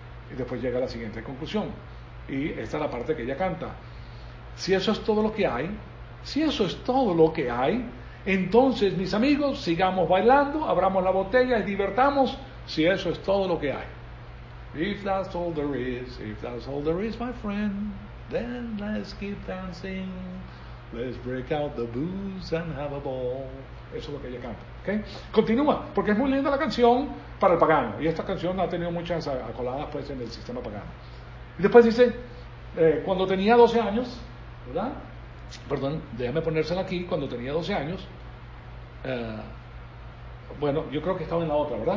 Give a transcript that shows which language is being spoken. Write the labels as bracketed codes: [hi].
[es] Y después llega la siguiente conclusión. Y esta es la parte que ella canta. Si eso es todo lo que hay, si eso es todo lo que hay, entonces, mis amigos, sigamos bailando, abramos la botella y divertamos, si eso es todo lo que hay. [en] If that's all there is, if that's all there is, my friend, then let's keep dancing, let's break out the booze and have a ball. [es] Eso es lo que ella canta, ¿okay? Continúa, porque es muy linda la canción para el pagano, y esta canción ha tenido muchas acoladas pues en el sistema pagano. Y después dice, cuando tenía 12 años, ¿verdad? Perdón, déjame ponérsela aquí, cuando tenía 12 años, bueno, yo creo que estaba en la otra, ¿verdad?